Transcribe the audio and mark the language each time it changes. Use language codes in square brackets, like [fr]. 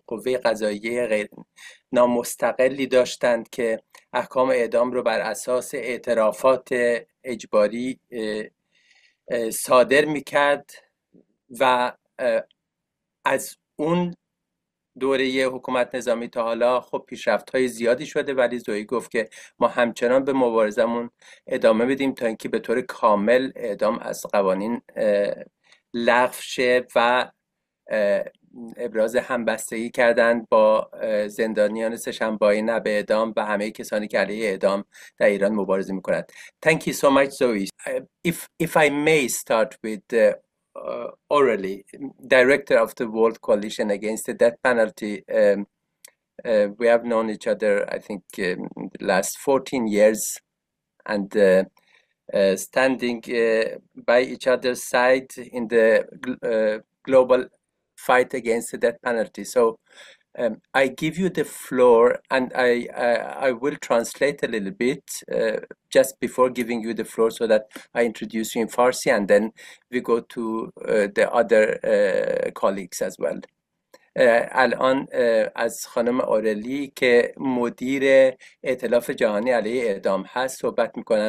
[fa] قوه قضاییه غیر نامستقلی داشتند که احکام اعدام رو بر اساس اعترافات اجباری صادر میکرد و از اون دوره حکومت نظامی تا حالا خب پیشرفت‌های زیادی شده، ولی زویی گفت که ما همچنان به مبارزمون ادامه بدیم تا اینکه به طور کامل اعدام از قوانین لغو شه. و ابراز همبستگی کردن با زندانیان سه‌شنبه نه به اعدام و همه کسانی که علیه اعدام در ایران مبارزه می‌کنند. [en] Thank you so much, Zoe. If I may start with Aurelie, director of the World Coalition Against the Death Penalty. We have known each other, I think, in the last 14 years, and standing by each other's side in the global fight against the death penalty. So I give you the floor, and I will translate a little bit just before giving you the floor so that I introduce you in Farsi, and then we go to the other colleagues as well. [fa] الان از خانم اورلی که مدیر ائتلاف جهانی علیه اعدام هست صحبت میکنن.